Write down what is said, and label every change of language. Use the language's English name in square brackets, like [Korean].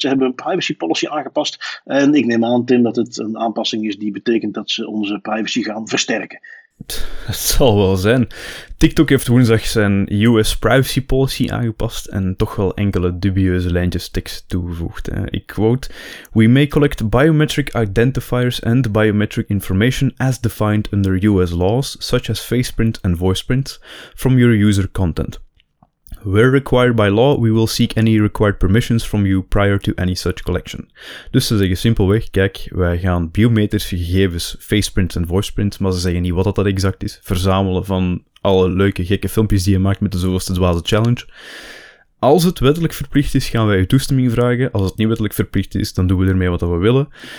[Dutch] Ze hebben een privacy policy aangepast. En ik neem aan, Tim, dat het een aanpassing is die betekent dat ze onze privacy gaan versterken. Het zal wel zijn. TikTok heeft woensdag zijn US privacy policy aangepast en toch wel enkele dubieuze lijntjes tekst toegevoegd. Ik quote: [English] "We may collect biometric identifiers and biometric information as defined under US laws, such as faceprint and voiceprint, from your user content. Where required by law, we will seek any required permissions from you prior to any such collection." [Dutch] Dus ze zeggen simpelweg, kijk, wij gaan biometrische gegevens, faceprints en voiceprints, maar ze zeggen niet wat dat exact is, verzamelen van alle leuke, gekke filmpjes die je maakt met de zoveelste dwaze challenge. Als het wettelijk verplicht is, gaan wij je toestemming vragen. Als het niet wettelijk verplicht is, dan doen we ermee wat we willen.